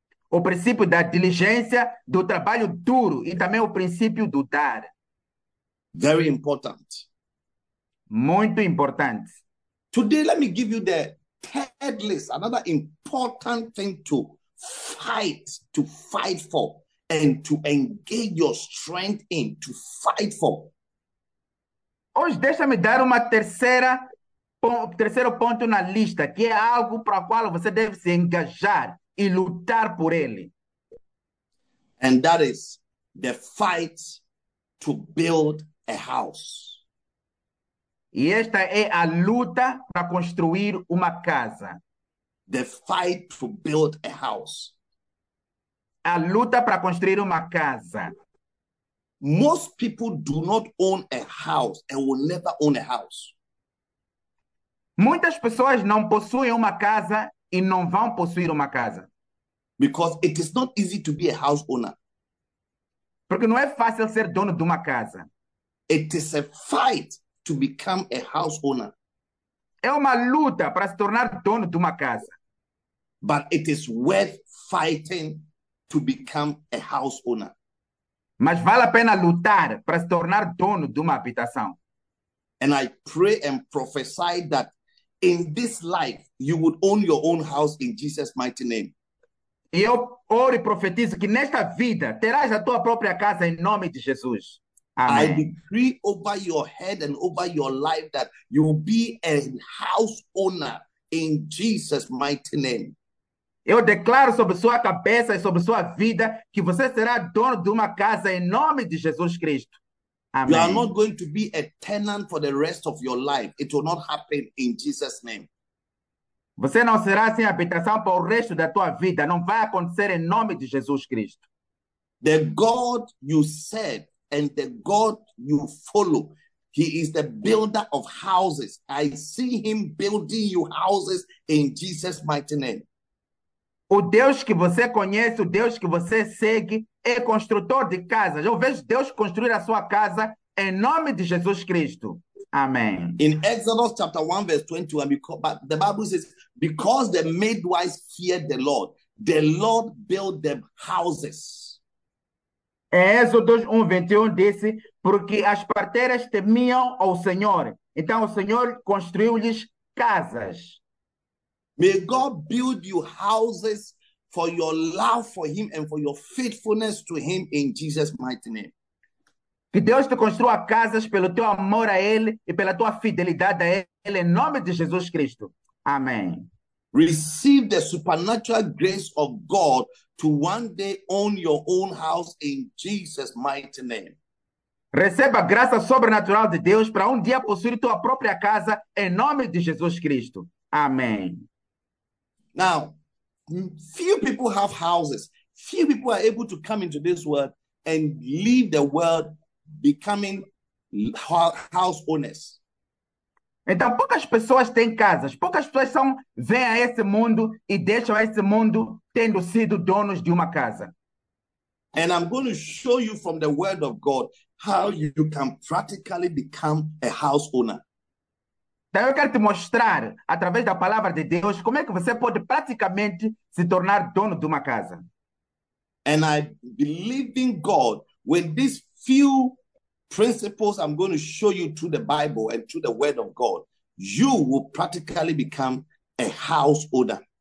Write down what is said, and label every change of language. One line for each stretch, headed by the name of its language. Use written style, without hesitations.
Portuguese: O princípio da diligência, do trabalho duro e também o princípio do dar.
English: Very important.
Portuguese: Muito importante.
English: Today, let me give you the third list, another important thing to fight for and to engage your strength in, to fight for.
Portuguese: Hoje, deixa-me dar uma terceiro ponto na lista, que é algo para o qual você deve se engajar e lutar por ele.
English: And that is the fight to build a house.
Portuguese: E esta é a luta para construir uma casa.
English: The fight to build a house.
Portuguese: A luta para construir uma casa.
English: Most people do not own a house and will never own a house.
Portuguese: Muitas pessoas não possuem uma casa e não vão possuir uma casa.
English: Because it is not easy to be a house owner.
Portuguese: Porque não é fácil ser dono de uma casa.
English: It is a fight to become a house owner.
Portuguese: É uma luta para se tornar dono de uma casa.
English: But it is worth fighting to become a house owner.
Portuguese: Mas vale a pena lutar para se tornar dono de uma habitação.
English: And I pray and prophesy that in this life you would own your own house in Jesus' mighty name.
Portuguese: E eu oro e profetizo que nesta vida terás a tua própria casa em nome de Jesus. Amém.
English: I decree over your head and over your life that you will be a house owner in Jesus' mighty name.
Portuguese: Eu declaro sobre sua cabeça e sobre sua vida que você será dono de uma casa em nome de Jesus Cristo. Amém.
English: You are not going to be a tenant for the rest of your life. It will not happen in Jesus' name.
Portuguese: Você não será sem habitação para o resto da tua vida. Não vai acontecer em nome de Jesus Cristo.
English: The God you serve and the God you follow, he is the builder of houses. I see him building you houses in Jesus' mighty name.
Portuguese: O Deus que você conhece, o Deus que você segue, é construtor de casas. Eu vejo Deus construir a sua casa em nome de Jesus Cristo. Amém.
English: In Exodus chapter 1, verse 21, the Bible says, because the midwives feared the Lord built them houses.
Portuguese: Em Exodus 1:21 disse, porque as parteiras temiam ao Senhor, então o Senhor construiu-lhes casas.
English: May God build you houses for your love for him and for your faithfulness to him in Jesus' mighty name.
Portuguese: Que Deus te construa casas pelo teu amor a ele e pela tua fidelidade a ele em nome de Jesus Cristo. Amém.
English: Receive the supernatural grace of God to one day own your own house in Jesus' mighty name.
Portuguese: Receba a graça sobrenatural de Deus para um dia possuir tua própria casa em nome de Jesus Cristo. Amém.
English: Now, few people have houses. Few people are able to come into this world and leave the world becoming house owners.
Portuguese: Então, poucas pessoas têm casas. Poucas pessoas são vêm a esse mundo e deixam esse mundo tendo sido donos de uma casa.
English: And I'm going to show you from the word of God how you can practically become a house owner.
Portuguese: Então, eu quero te mostrar, através da palavra de Deus, como é que você pode praticamente se tornar dono de uma casa.
English: And I believe in God, with these few principles I'm going to show you through the Bible and through the Word of God, you will practically become a house owner.